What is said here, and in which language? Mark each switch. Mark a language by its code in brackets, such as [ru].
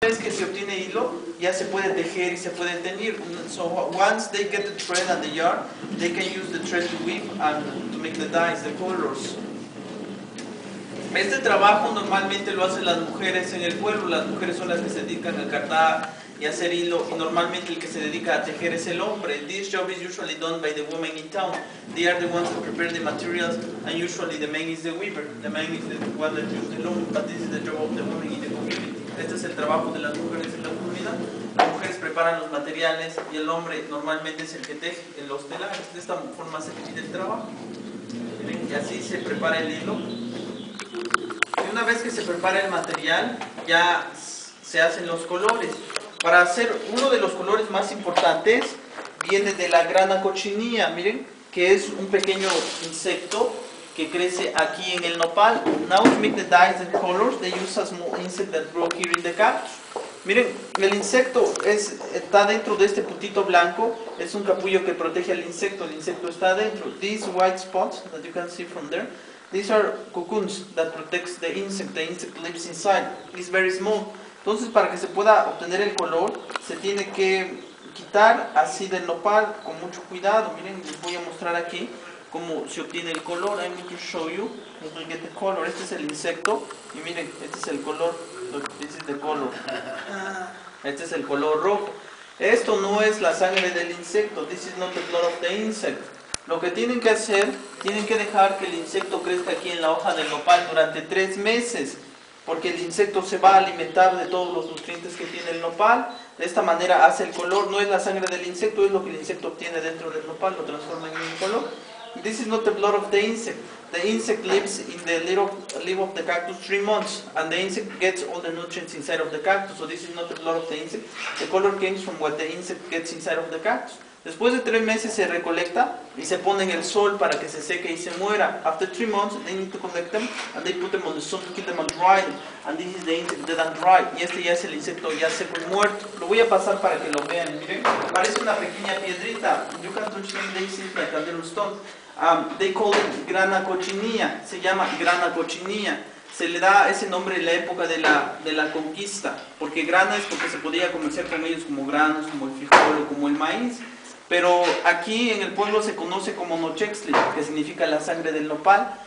[es] Vez que se obtiene hilo, ya se puede tejer y se puede teñir. [en] So once they get the thread and the yarn, they can use the thread to weave and to make the dyes, the colors. [es] Este trabajo normalmente lo hacen las mujeres en el pueblo. Las mujeres son las que se dedican a cartar y hacer hilo, y normalmente el que se dedica a tejer es el hombre. [en] This job is usually done by the women in town. They are the ones who prepare the materials, and usually the man is the weaver. The man is the one that uses the loom, but this is the job of the women in the community. [es] Este es el trabajo de las mujeres en la comunidad. Las mujeres preparan los materiales y el hombre normalmente es el que teje en los telares. De esta forma se divide el trabajo. Y así se prepara el hilo. Y una vez que se prepara el material, ya se hacen los colores. Para hacer uno de los colores más importantes, viene de la grana cochinilla, miren, que es un pequeño insecto que crece aquí en el nopal. [en] Now to make the dyes and colors, they use a small insect that grew here in the cap. [es] Miren, el insecto está dentro de este puntito blanco, es un capullo que protege al insecto, el insecto está dentro. [en] These white spots that you can see from there, these are cocoons that protect the insect lives inside, it's very small. [es] Entonces, para que se pueda obtener el color, se tiene que quitar así del nopal con mucho cuidado. Miren, les voy a mostrar aquí cómo se obtiene el color. [en] I'm going to show you how to get the color. [es] Este es el insecto y miren, este es el color. [en] This is the color. [es] Este es el color rojo. Esto no es la sangre del insecto. [en] This is not the blood of the insect. [es] Lo que tienen que hacer, tienen que dejar que el insecto crezca aquí en la hoja del nopal durante 3 meses. Porque el insecto se va a alimentar de todos los nutrientes que tiene el nopal. De esta manera hace el color, no es la sangre del insecto, es lo que el insecto obtiene dentro del nopal, lo transforma en un color. [en] This is not the blood of the insect. The insect lives in the little leaf of the cactus 3 months, and the insect gets all the nutrients inside of the cactus. So this is not the blood of the insect. The color comes from what the insect gets inside of the cactus. [es] Después de 3 meses se recolecta y se pone en el sol para que se seque y se muera. [en] After 3 months, they need to collect them and they put them on the sun to keep them and dry them. And this is the insect dead and dry. [es] Y este ya es el insecto ya seco y muerto. Lo voy a pasar para que lo vean. Miren, parece una pequeña piedrita. [en] You can touch them, they seem like a little stone. They call it grana cochinilla. [es] Se llama grana cochinilla. Se le da ese nombre en la época de la conquista. Porque grana es porque se podía comerciar con ellos como granos, como el frijol o como el maíz. Pero aquí en el pueblo se conoce como nochextli, que significa la sangre del nopal.